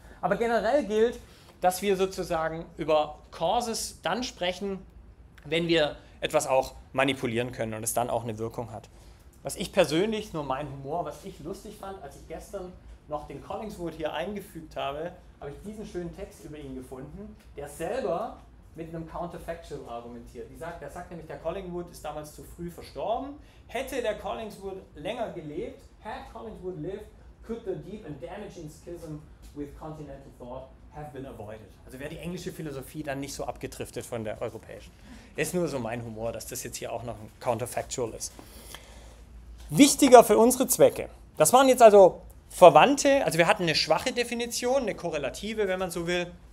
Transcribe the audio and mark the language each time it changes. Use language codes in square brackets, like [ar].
[de] Aber generell gilt, dass wir sozusagen über Causes dann sprechen, wenn wir etwas auch manipulieren können und es dann auch eine Wirkung hat. Was ich persönlich, nur mein Humor, was ich lustig fand, als ich gestern noch den Collingswood hier eingefügt habe, habe ich diesen schönen Text über ihn gefunden, der selber mit einem Counterfactual argumentiert. Er sagt nämlich, der Collingwood ist damals zu früh verstorben. Hätte der Collingwood länger gelebt, [en] had Collingwood lived, could the deep and damaging schism with continental thought have been avoided. [de] Also wäre die englische Philosophie dann nicht so abgedriftet von der europäischen. Ist nur so mein Humor, dass das jetzt hier auch noch ein Counterfactual ist. Wichtiger für unsere Zwecke. Das waren jetzt also Verwandte, also wir hatten eine schwache Definition, eine korrelative, wenn man so will.